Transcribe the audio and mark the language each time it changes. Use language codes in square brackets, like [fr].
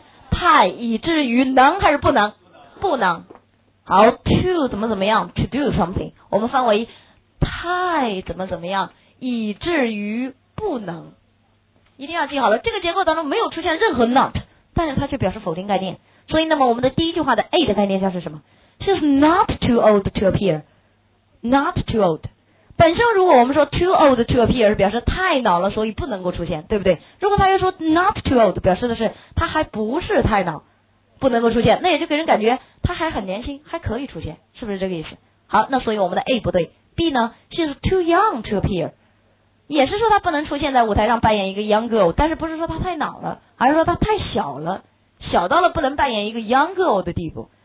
[zh] 太以至于能还是不能？不能。好， to 怎么怎么样， [en] to do something [zh] 我们翻为太怎么怎么样以至于不能。一定要记好了，这个结构当中没有出现任何 not， 但是它却表示否定概念。所以那么我们的第一句话的 A 的概念叫是什么？ [en] She's not too old to appear. Not too old. [zh] 本身如果我们说 too old to appear 是表示太老了，所以不能够出现，对不对？如果他又说 not too old 表示的是他还不是太老，不能够出现，那也就给人感觉他还很年轻，还可以出现，是不是这个意思？好，那所以我们的 A 不对。B 呢， [en] She's too young to appear， [zh] 也是说他不能出现在舞台上扮演一个 young girl， 但是不是说他太老了，而是说他太小了，小到了不能扮演一个 young girl 的地步。